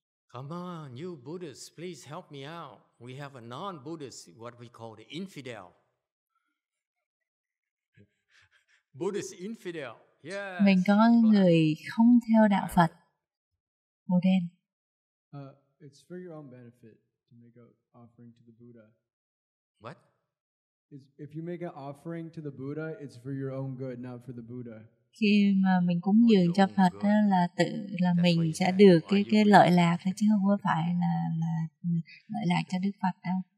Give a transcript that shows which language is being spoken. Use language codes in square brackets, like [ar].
[en] Come on, you Buddhists, please help me out. We have a non-Buddhist, what we call the infidel. Buddhist infidel. Yeah. [vi] Mình có người không theo đạo Phật. Màu đen. [en] It's for your own benefit to make an offering to the Buddha. What? If you make an offering to the Buddha, it's for your own good, not for the Buddha. [vi] Khi mà mình cúng dường cho Phật đó, là tự là mình sẽ được cái lợi lạc chứ không có phải là lợi lạc cho Đức Phật đâu.